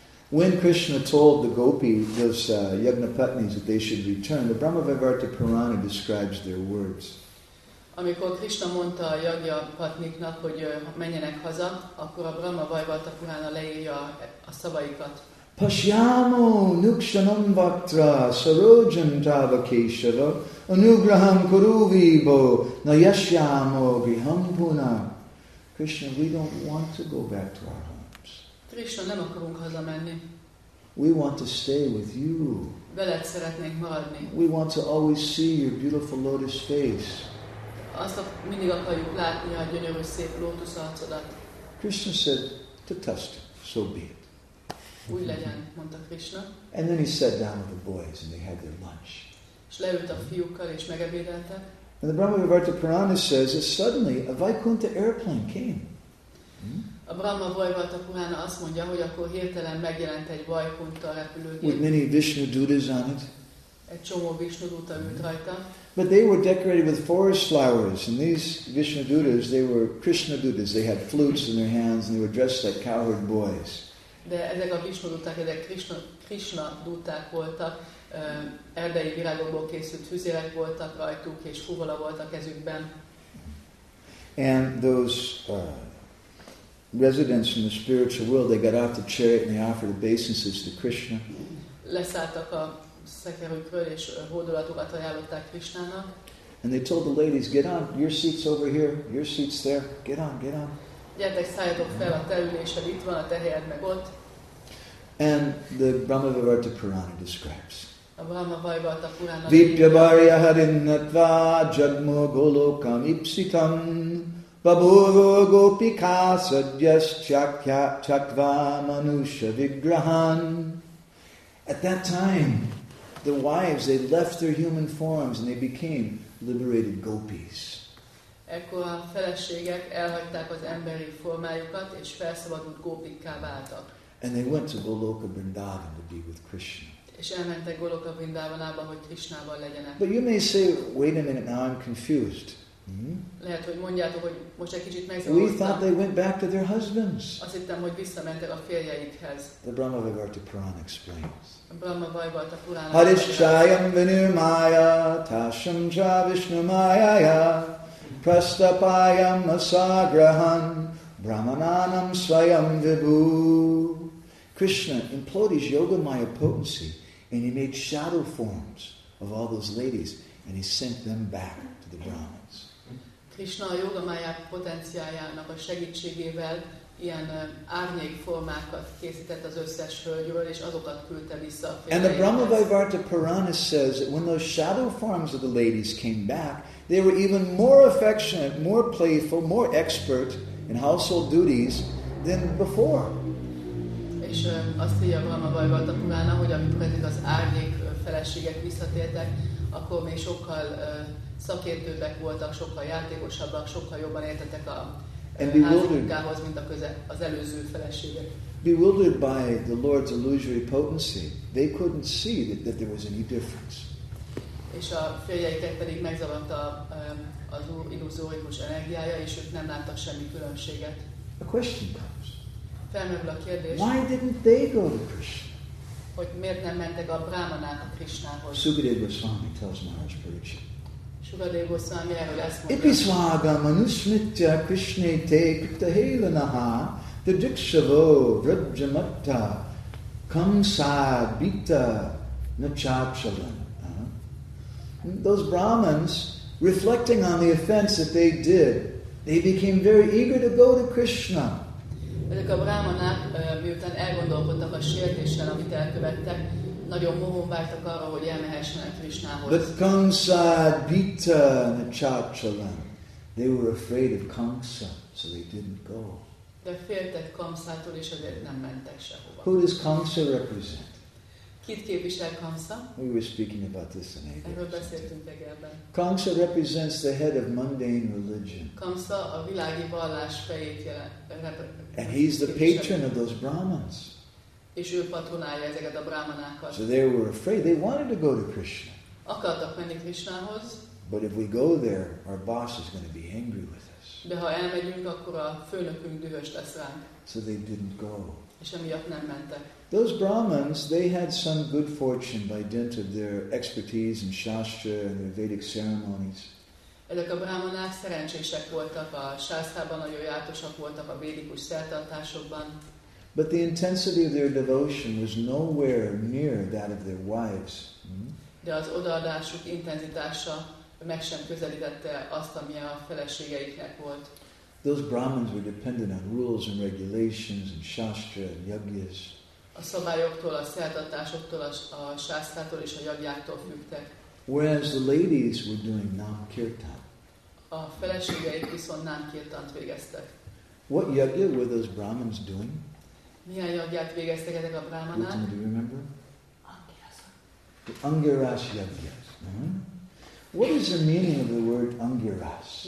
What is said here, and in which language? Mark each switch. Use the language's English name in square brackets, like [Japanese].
[English] When Krishna told the gopis, those yajnapatnis, that they should return, the Brahmavivarta Purana describes their words. [Hungarian] Amikor Krishna mondta a yajnapatniknak, hogy menjenek haza, akkor a Brahmavivarta Purana leírja a szavaikat. [Sanskrit] Pashyamo nukshanam vaktra sarojam tavakeshava anugraham kuruvibo na yashyamo griham puna. [English] Krishna, we don't want to go back to our home. [Hungarian] Krishna, nem akarunk hazamenni. [English] We want to stay with you. [Hungarian] Veled szeretnénk maradni. [English] We want to always see your beautiful lotus face. [Hungarian] Azt mindig akarjuk látni a gyönyörös szép lótusz arcodat. [English] Krishna said, "Tatasthu, so be it." [Hungarian] Úgy legyen, mondta Krishna. [English] And then he sat down with the boys and they had their lunch. [Hungarian] És leült a fiúkkal és megebédeltek. [English] And the Brahmavivarta Purana says that suddenly a Vaikuntha airplane came. [Hungarian] A Brahma Vaivarta Purana azt mondja, hogy akkor hirtelen megjelent egy Vaikuntha repülőgép. [English] With many Vishnu Dutas on it. [Hungarian] Egy csomó Vishnu Duta ült rajta. [English] But they were decorated with forest flowers, and these Vishnu Dutas, they were Krishna Dutas. They had flutes in their hands, and they were dressed like cowherd boys. [Hungarian] De ezek a Vishnu Duták, ezek Krishna Duták voltak, erdei virágokból készült füzérek voltak rajtuk, és fuvola volt a kezükben. [English] And those residents in the spiritual world, they got out the chariot and they offered obeisances to Krishna. [Hungarian] Leszálltak a szekerükről és hódolatokat ajánlották Krishnának. [English] And they told the ladies, get on, your seat's over here, your seat's there, get on, get on. [Hungarian] Gyertek, szálljatok fel a terülésed, itt van a te helyed, meg ott. [English] And the Brahmavivarta Purana describes. [Hungarian] A Brahmavivarta Purana. [Sanskrit] Vipyabharya harinnatva jagmo golokam ipsitam. Baburo gopika sadyas chakya chakva manusha vigrahan. [English] At that time, the wives, they left their human forms and they became liberated gopis. [Hungarian] Ekkor a feleségek elhagyták az emberi formájukat és felszabadult gopikká váltak. [English] And they went to Goloka Vrindavan to be with Krishna. [Hungarian] És elmentek Goloka Vrindavanába, hogy Krishnával legyenek. [English] But you may say, wait a minute, now I'm confused. [Hungarian] Lehet, hogy mondjátok, hogy most egy kicsit megzavarodtam. [English] We thought they went back to their husbands. [Hungarian] Azt hittem, hogy visszamentek a férjeikhez. [English] The Brahmavivarta Purana explains. [Hungarian] A Brahmavivarta Purana. [Sanskrit] Harishchayam vinirmaya tasham cha vishnumayaya prastapayam asagrahan brahmananam svayam vibhu. [English] Krishna employed his yoga maya potency and he made shadow forms of all those ladies and he sent them back to the Brahma. [Hungarian] Krishna a jogamáját potenciájának a segítségével ilyen árnyék formákat készített az összes hölgyről, és azokat küldte vissza. [English] And the Brahmavivarta Purana says that when those shadow forms of the ladies came back, they were even more affectionate, more playful, more expert in household duties than before. [Hungarian] És azt írja a Brahmavivarta Purana, hogy amikor ezek az árnyék feleségek visszatértek, akkor még sokkal szakértőbbek voltak, sokkal játékosabbak, sokkal jobban értettek a házmunkához, mint az előző feleségek. [English] Bewildered by the Lord's illusory potency, they couldn't see that there was any difference. [Hungarian] És a férjeiket pedig megzavarta az Úr illuzórikus energiája, és ők nem láttak semmi különbséget. [English] A question comes. [Hungarian] Felmerül a kérdés. [English] Why didn't they go to Krishna? [Hungarian] Hogy miért nem mentek a Brahmanák a Krishnához? [English] Sukadeva Swami tells Maharaj Pariksit. [Hungarian] Sugadeva Swami erről ezt mondja. [Sanskrit] Ipiswaga manusmitya krishne te kripta helanaha the dikshavo vrajjamatta kamsa bita nachapshalan. [English] Those Brahmins, reflecting on the offense that they did, they became very eager to go to Krishna. [Hungarian] Ezek a brahmanák, miután elgondolkodtak a sértéssel, amit elkövettek, nagyon mohón vártak arra, hogy elmehessenek Krishnához. [English] But Kamsa, Bita, and Chachalan, they were afraid of Kamsa, so they didn't go. [Hungarian] De féltek Kamsától, és ezért nem mentek sehova. [English] Who does Kamsa represent? [Hungarian] Kit képvisel Kamsa? [English] We were speaking about this in [Hungarian] Erről beszéltünk tegelben. [English] Kamsa represents the head of mundane religion. [Hungarian] Kamsa a világi vallás fejét [English] And he's the patron of those Brahmins. [Hungarian] És ő patronálja ezeket a brahmanákat. [English] So they were afraid. They wanted to go to Krishna. [Hungarian] Akartak menni Krishnához. [English] But if we go there, our boss is going to be angry with us. [Hungarian] De ha elmegyünk, akkor a főnökünk dühös lesz ránk. [English] So they didn't go. [Hungarian] És emiatt nem mentek. [English] Those Brahmins, they had some good fortune by dint of their expertise in Shastra and their Vedic ceremonies. [Hungarian] Ezek a brahmanák szerencsések voltak a sásztában, nagyon jártosak voltak a védikus szertartásokban. [English] But the intensity of their devotion was nowhere near that of their wives. [Hungarian] De az odaadásuk intenzitása meg sem közelítette azt, ami a feleségeiknek volt. [English] Those Brahmins were dependent on rules and regulations and shastra and yagyas. [Hungarian] A szabályoktól, a szertartásoktól, a sásztától és a yagyáktól függtek. [English] Whereas the ladies were doing Namkirtan. [Hungarian] A feleségeik viszont Namkirtant végeztek. [English] What yagya were those Brahmins doing? [Hungarian] Milyen yagyát végeztek ezek a brahmanák? [English] Do you remember? Angiras. The Angiras yagyas. What is the meaning of the word Angiras?